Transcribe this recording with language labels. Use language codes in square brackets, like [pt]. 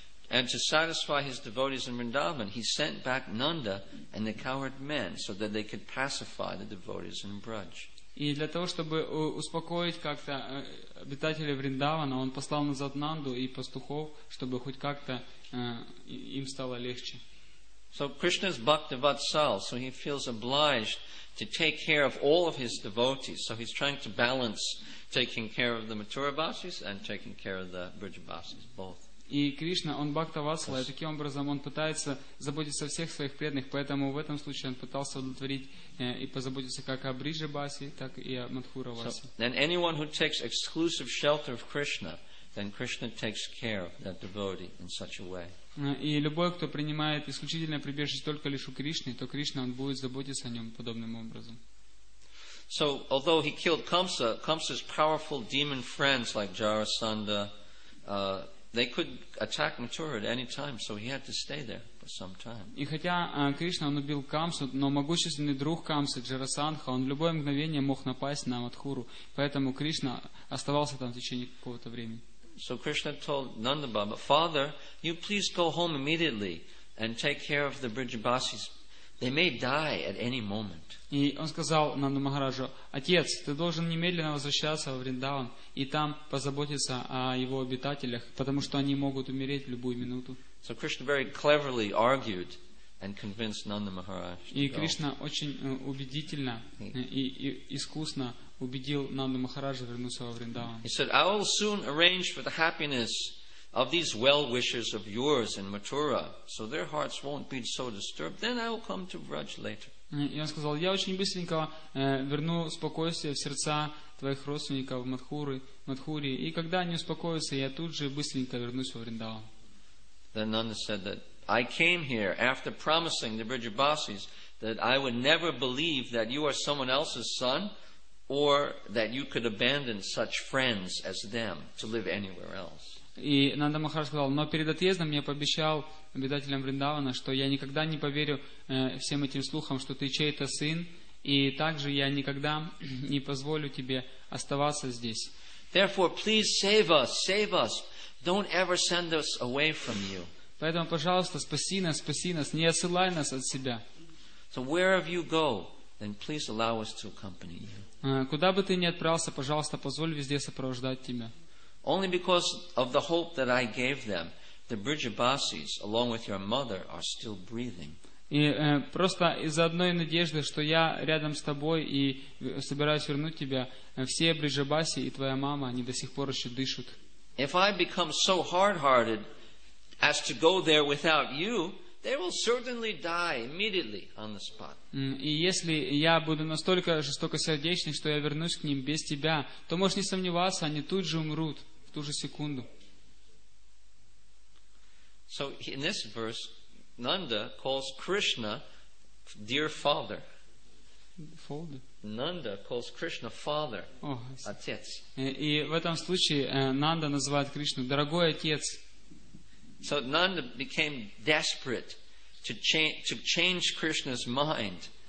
[en] And to satisfy his devotees in Vrindavan, he sent back Nanda and the cowherd men so that they could pacify the devotees in Braj. [ru] И для того, чтобы успокоить как-то обитателей Вриндавана, он послал назад Нанду и пастухов, чтобы хоть как-то им стало легче. [en] So Krishna's bhakta vatsal, so he feels obliged to take care of all of his devotees. So he's trying to balance taking care of the Mathuravasis and taking care of the Vrijavasis both. [ru] И Кришна, он бхакта васала, и таким образом он пытается заботиться о всех своих преданных, поэтому в этом случае он пытался удовлетворить и позаботиться как о Бриджабасе, так и о Мадхуравасе. [en] And anyone who takes exclusive shelter of Krishna, then Krishna takes care of that devotee in such a way. [ru] И любой, кто принимает исключительное прибежище только лишь у Кришны, то Кришна, он будет заботиться о нем подобным образом. [en] So, although he killed Kamsa, Kamsa's powerful demon friends like Jarasandha, they could attack Mathura at any time, so he had to stay there for some time. [ru] И хотя Кришна он убил Камсу, но могущественный друг Камсы Джарасандха, он в любое мгновение мог напасть на Мадхуру, поэтому Кришна оставался там в течение какого-то времени. [en] So Krishna told Nanda Baba, "Father, you please go home immediately and take care of the Brijabasis. They may die at any moment." [ru] И он сказал Нанду Махараджу: "Отец, ты должен немедленно возвращаться во Вриндаван и там позаботиться о его обитателях, потому что они могут умереть в любую минуту." [en] So Krishna very cleverly argued and convinced Nanda Maharaj. [ru] И Кришна очень убедительно и искусно убедил Нанду Махараджа вернуться во Вриндаван. [en] He said, "I will soon arrange for the happiness of these well-wishers of yours in Mathura, so their hearts won't be so disturbed. Then I will come to Vraj later." [ru] И он сказал, я очень быстренько верну спокойствие в сердца твоих родственников в Матхуре, и когда они успокоятся, я тут же быстренько вернусь во Вриндаван. [en] Then Nanda said that I came here after promising the Brijabasis that I would never believe that you are someone else's son, or that you could abandon such friends as them to live anywhere else. [ru] И Нанда Махарадж сказал, но перед отъездом я пообещал обитателям Вриндавана, что я никогда не поверю всем этим слухам, что ты чей-то сын, и также я никогда не позволю тебе оставаться здесь. [en] Therefore, please save us, don't ever send us away from you. [ru] Поэтому, пожалуйста, спаси нас, не отсылай нас от себя. [en] So wherever you go, then please allow us to accompany you. [ru] Куда бы ты ни отправился, пожалуйста, позволь везде сопровождать тебя. [en] Only because of the hope that I gave them, the Brijabasis, along with your mother, are still breathing. [ru] И просто из-за одной надежды, что я рядом с тобой и собираюсь вернуть тебя, все Брижабаси и твоя мама, они до сих пор еще дышат. [en] If I become so hard-hearted as to go there without you, they will certainly die immediately on the spot. [ru] И если я буду настолько жестокосердечный, что я вернусь к ним без тебя, то можешь не сомневаться, они тут же умрут в ту же секунду. [en] So in this verse, Nanda calls Krishna dear father. Nanda calls Krishna father. [ru] Отец. И в этом случае Нанда называет Кришну дорогой отец. [en] So Nanda became desperate to change Krishna's mind.